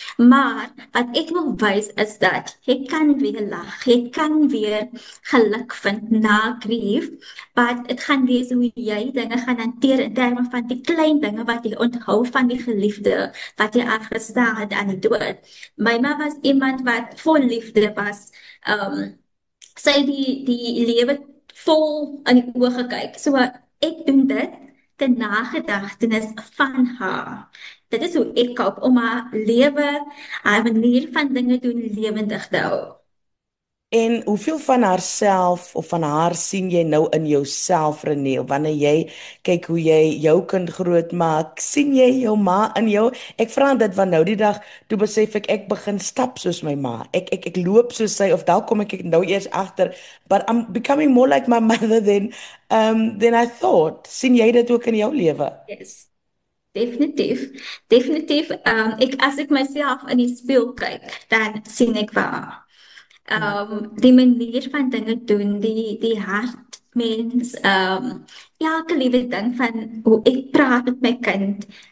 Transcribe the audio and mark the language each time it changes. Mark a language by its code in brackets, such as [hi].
[af] Maar wat ek wil wys is dat jy kan weer lag, jy kan weer geluk vind na grief, maar dit gaan wees hoe jy dinge gaan hanteer in terme van die klein dinge wat jy onthou van die geliefde wat jy afgestaan het aan die dood. My ma was iemand wat vol liefde was. Sy die lewe vol aan die oë gekyk. So ek doen dit ter nagedagtenis van haar. Dit is hoe ek koop om haar lewe, haar manier van dinge doen lewendig te hou. En hoeveel van haarself of van haar sien jy nou in jouself, Renée, wanneer jy kyk hoe jy jou kind grootmaak? Sien jy jou ma in jou? Ek vra dit want nou die dag toe besef ek ek begin stap soos my ma. Ek loop soos sy of dalk kom ek nou eers agter, [en] but I'm becoming more like my mother than I thought. [af] Sien jy dit ook in jou lewe? [en] Yes. Definitief. Definitief. [af] As ek myself in die spieël kyk, dan sien ek waar. Die manier van dinge doen, die hart mens, elke liewe ding van hoe ek praat met my kind,